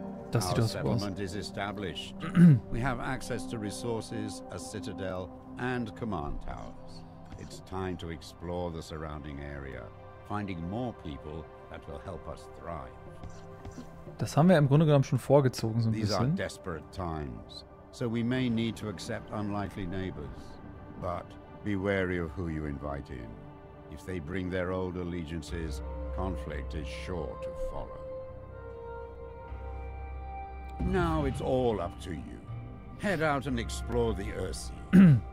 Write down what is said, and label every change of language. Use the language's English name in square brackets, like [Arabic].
[German] Das sieht aus. [English] Our settlement is established. We have access to resources, a citadel and command towers. It's time to explore the surrounding area, finding more people that will help us thrive. [German] Das haben wir im Grunde genommen schon vorgezogen so ein [English] These [German] bisschen. [English] Are desperate times, so we may need to accept unlikely neighbors, but be wary of who you invite in. If they bring their old allegiances, conflict is sure to follow. Now it's all up to you. Head out and explore the Ursea.